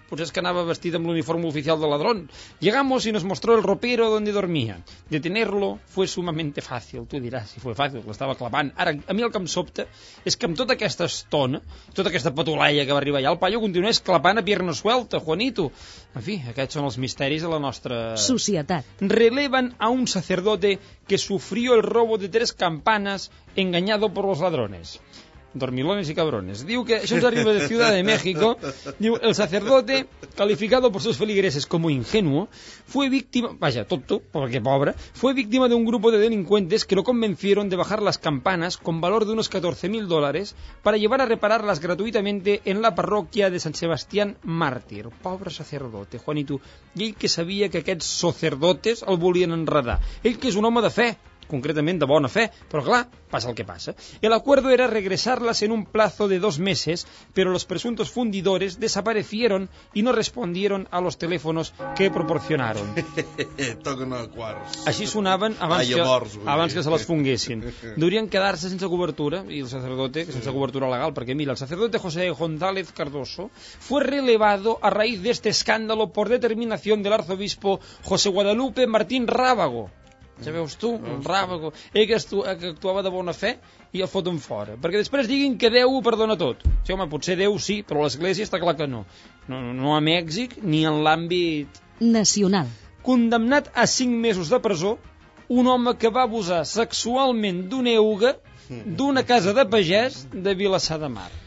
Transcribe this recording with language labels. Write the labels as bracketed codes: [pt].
[ca] Potser és que anava vestit amb l'uniform oficial [es] de ladrón. Llegamos y nos mostró el ropero donde dormía. Detenerlo fue sumamente fácil. [ca] Tu diràs si [es] fue fácil, [ca] l'estava clavant. Ara, a mi el que em sobta és que amb tota aquesta estona, tota aquesta patulaia que va arribar allà, el paio continua clapant [es] a pierna suelta, [ca] Juanito. En fi, aquests són els misteris de la nostra... societat. [es] Relevan a un sacerdote que sufrió el robo de 3 campanas engañado por los ladrones. Dormilones y cabrones. [ca] Diu que això ens arriba de Ciudad de México. [es] Diu, el sacerdote, calificado por sus feligreses como ingenuo, fue víctima, vaya, tonto, porque pobre, fue víctima de un grupo de delincuentes que lo convencieron de bajar las campanas con valor de unos 14.000 dólares para llevar a repararlas gratuitamente en la parroquia de San Sebastián Mártir. [ca] Pobre sacerdote, Juanito. I ell que sabia que aquests sacerdotes el volien enredar. Ell que és un home de fe. Concretament de bona fe, però clar, passa el que passa. [es] El acuerdo era regresarlas en un plazo de 2 meses, pero los presuntos fundidores desaparecieron y no respondieron a los teléfonos que proporcionaron. [ca] Toquen el quartz. Així sonaven abans, abans que se les funguessin. Durien quedar-se sense cobertura, i el sacerdote, sense cobertura legal, perquè mira, el sacerdote José González Cardoso [es] fue relevado a raíz de este escándalo por determinación del arzobispo [ca] José Guadalupe Martín Rábago. Ja veus tu, un ràbago. Ell que actuava de bona fe i el foten fora. Perquè després diguin que Déu ho perdona tot. Sí, home, potser Déu sí, però l'Església està clar que no. No a Mèxic ni en l'àmbit... nacional. Condemnat a 5 mesos de presó, un home que va abusar sexualment d'un euga d'una casa de pagès de Vilassar de Mar.